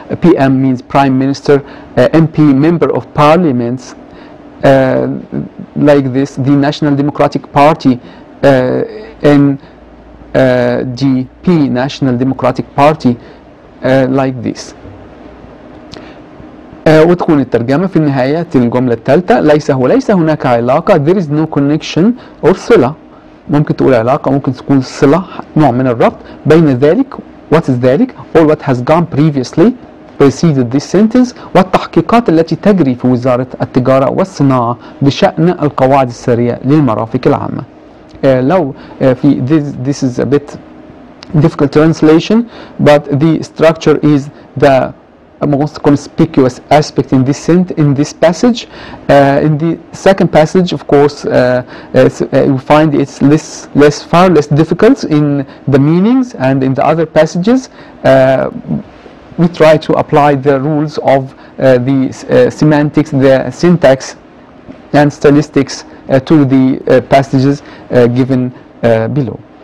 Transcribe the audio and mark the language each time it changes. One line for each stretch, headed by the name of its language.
English: PM means Prime Minister, MP, Member of Parliament. Like this, the National Democratic Party, NDP, National Democratic Party, like this.
Arabic: وتكون الترجمة في النهاية الجملة الثالثة ليس هناك علاقة.
English: There is no connection or صلة.
Arabic: ممكن تقول علاقة، ممكن تكون صلة نوع من الربط بين ذلك.
English: What is ذلك? Or what has gone previously? Preceded this sentence
Arabic: والتحقيقات التي تجري في وزارة التجارة والصناعة بشأن القواعد السرية للمرافق العامة. لو في
English: this is a bit difficult translation but the structure is the most conspicuous aspect in this passage. In the second passage of course we find it's far less difficult in the meanings and in the other passages we try to apply the rules of the semantics, the syntax and stylistics to the passages given below.